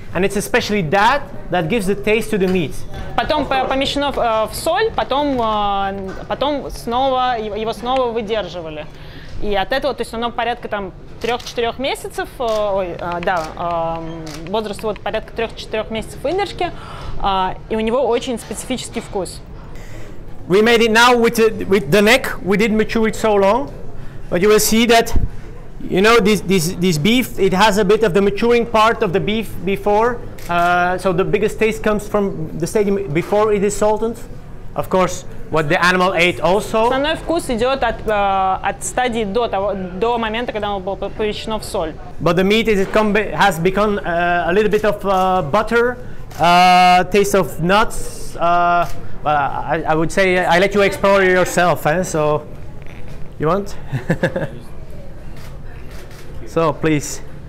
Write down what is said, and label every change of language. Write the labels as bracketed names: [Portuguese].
[English] And it's especially that gives the taste to the meat. [Russian] Потом помещено в соль, потом снова его снова выдерживали. И от этого, то есть оно порядка там 3-4 месяцев, возраст вот порядка 3-4 месяцев выдержки, и у него очень специфический вкус. [English] We made it now with the neck. We didn't mature it so long, but you will see that. You know this beef. It has a bit of the maturing part of the beef before, so the biggest taste comes from the stadium before it is salted. of course, what the animal ate also. [Russian] Основной вкус идет от от стадии до того до момента, когда оно было помещено в соль. [English] But the meat has become a little bit of butter, taste of nuts. Well, I would say I let you explore yourself, so you want? So please.